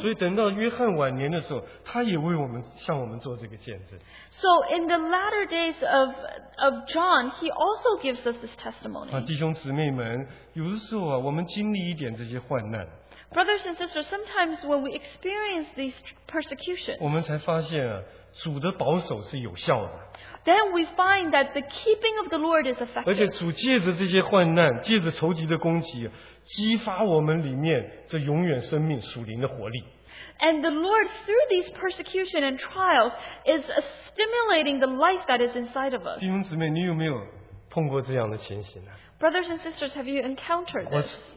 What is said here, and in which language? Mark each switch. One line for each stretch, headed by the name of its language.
Chinese: 所以等到约翰晚年的时候，他也为我们向我们做这个见证。
English: So in the latter days of John, he also gives us this testimony.
Chinese: 弟兄姊妹们，有的时候啊，我们经历一点这些患难。
English: Brothers and sisters, sometimes when we experience these persecutions,
Chinese: 我们才发现啊, 主的保守是有效的,
English: then we find that the keeping of the Lord is effective.
Chinese: 而且主借着这些患难, 借着仇敌的攻击, 激发我们里面这永远生命, 属灵的活力。
English: And the Lord, through these persecutions and trials, is stimulating the life that is inside of us.
Chinese: 弟兄姊妹, 你有没有碰过这样的情形呢?
English: Brothers and sisters, have you encountered this?